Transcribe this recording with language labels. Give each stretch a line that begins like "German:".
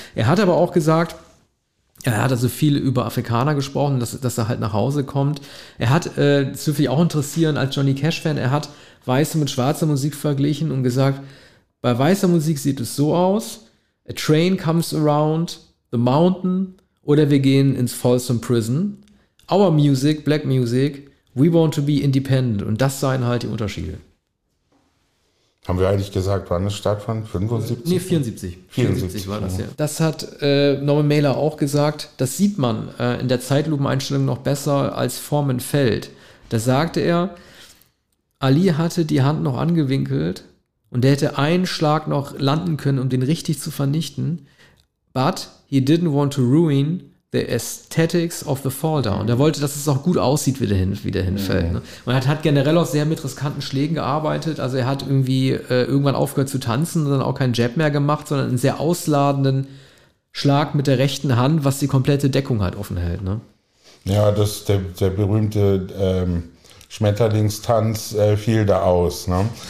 German: Er hat aber auch gesagt, er hat also viel über Afrikaner gesprochen, dass er halt nach Hause kommt. Er hat, das würde mich auch interessieren als Johnny Cash-Fan, er hat weiße mit schwarzer Musik verglichen und gesagt, bei weißer Musik sieht es so aus, a train comes around the mountain oder wir gehen ins Folsom Prison.
English: Our music, black music, we want to be independent.
German: Und das seien halt die Unterschiede. Haben wir eigentlich gesagt, wann es stattfand? 75? Nee, 74. 74 war das, ja. Das hat Norman Mailer auch gesagt. Das sieht man in der Zeitlupeneinstellung noch besser als Foreman fällt. Da sagte er, Ali hatte die Hand noch angewinkelt und er hätte einen Schlag noch landen können, um den richtig zu vernichten.
English: But he didn't want to ruin the aesthetics of the fall down.
German: Er wollte, dass es auch gut aussieht, wie der hinfällt. Ne? Und er hat generell auch sehr mit riskanten Schlägen gearbeitet. Also er hat irgendwie irgendwann aufgehört zu tanzen und dann auch keinen Jab mehr gemacht, sondern einen sehr ausladenden Schlag mit der rechten Hand, was die komplette Deckung halt offen hält. Ne? Ja, das der berühmte Schmetterlingstanz fiel da aus. Ne?